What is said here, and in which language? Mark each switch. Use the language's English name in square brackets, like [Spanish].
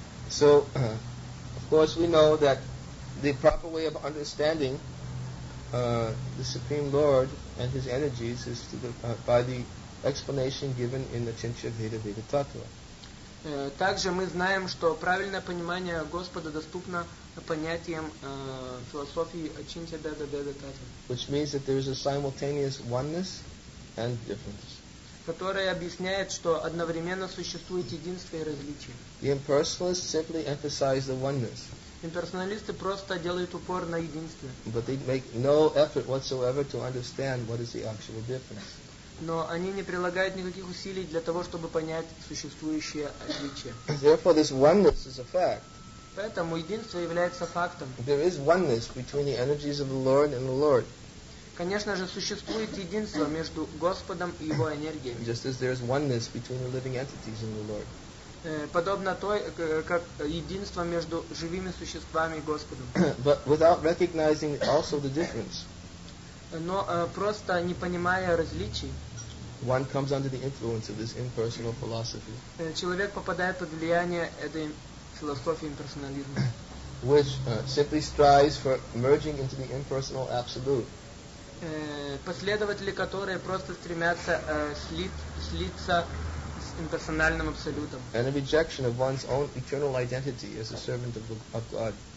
[English] So, of course, we know that the proper way of understanding the Supreme Lord and His energies is to by the explanation given in the Chinchavita Veda Tattva. [Russian] Также мы знаем, что правильное понимание Господа доступно понятием философии Чинчавита Веда Таттва. [English] Which means that there is a simultaneous oneness and difference. [Russian] Которая объясняет, что одновременно существует единство и различие. [English] The impersonalists simply emphasize the oneness. [Russian] Имперсоналисты просто делают упор на единство. [English] But they make no effort whatsoever to understand what is the actual difference. [Russian] Но они не прилагают никаких усилий для того, чтобы понять существующее отличие. [English] Therefore, this oneness is a fact. [Russian] Поэтому единство является фактом. [English] There is oneness between the energies of the Lord and the Lord. [Russian] Конечно же, существует единство между Господом и Его энергией. [English] Just as there is oneness between the living entities and the Lord. [Russian] Подобно той, как единство между живыми существами и Господом. [English] But without recognizing also the difference. [Russian] Но просто не понимая различий. [English] One comes under the influence of this impersonal philosophy. [Russian] Человек попадает под влияние этой философии имперсонализма. [English] Which simply strives for merging into the impersonal absolute. [Russian] Последователи, которые просто стремятся слиться с имперсональным абсолютом. [English] And a rejection of one's own eternal identity as a servant of God.